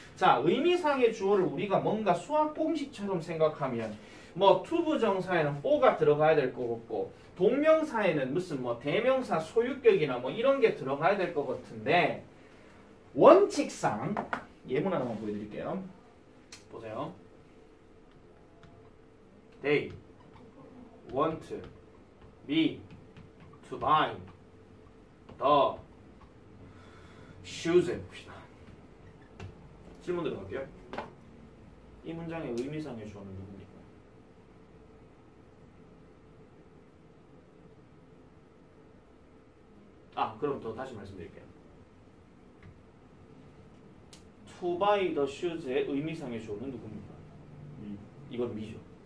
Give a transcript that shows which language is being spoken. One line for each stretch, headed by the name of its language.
Korean: 자, 의미상의 주어를 우리가 뭔가 수학 공식처럼 생각하면 뭐 투부정사에는 뽀가 들어가야 될 것 같고 동명사에는 무슨 뭐 대명사 소유격이나 뭐 이런 게 들어가야 될 것 같은데 원칙상 예문 하나만 보여드릴게요. 보세요.
English: They want me to buy the shoes
Korean: 해봅시다. 질문 들어갈게요. 이 문장의 의미상의 주어는 누구입니까? 아, 그럼 더 다시 말씀드릴게요.
English: To buy the shoes
Korean: 의 의미상의 주어는 누구입니까? 이건 미죠.